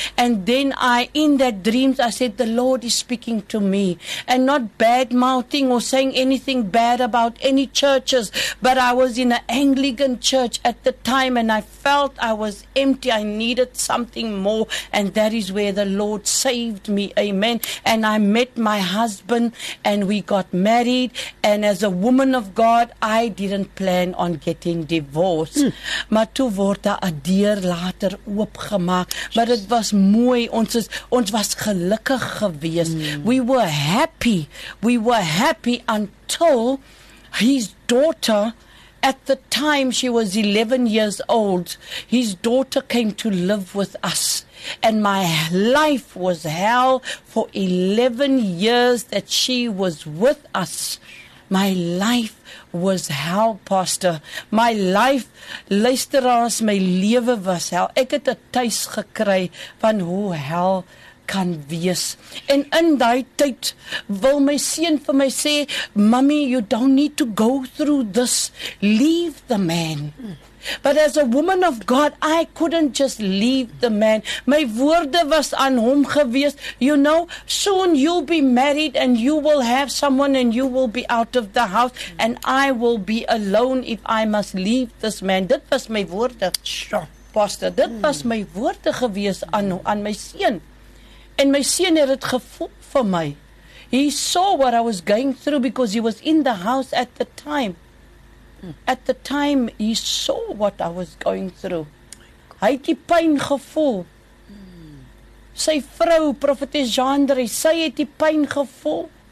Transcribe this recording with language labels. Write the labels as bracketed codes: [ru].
[en] And then I, in that dreams, I said, the Lord is speaking to me, and not bad mouthing or saying anything bad about any churches, but I was in an Anglican church at the time, and I felt I was empty. I needed something more, and that is where the Lord saved me. Amen. And I met my husband, and we got married. And as a woman of God, I didn't plan on getting divorced. [af] Maar toe word daar 'n deur later oopgemaak. [en] But it was [af] mooi. Ons was gelukkig geweest. [en] We were happy. We were happy until his daughter. At the time, she was 11 years old. His daughter came to live with us. And my life was hell for 11 years that she was with us. My life was hell, Pastor. My life, [af] luisteraars, my lewe was hell. Ek het 'n tuis gekry van hoe hell kan wees. En in daai tyd wil my seun vir my sê, [en] "Mommy, you don't need to go through this. Leave the man." But as a woman of God, I couldn't just leave the man. [af] My woorde was aan hom gewees, [en] you know, soon you'll be married and you will have someone and you will be out of the house and I will be alone if I must leave this man. [af] Dit was my woorde. Pastor, dit was my woorde gewees aan my seun. En my seun het dit gevoel vir my. [en] He saw what I was going through because he was in the house at the time. At the time, he saw what I was going through. [af] Hy het die pyn gevoel. Sy vrou, Profetes Jandre, sy het die pyn gevoel.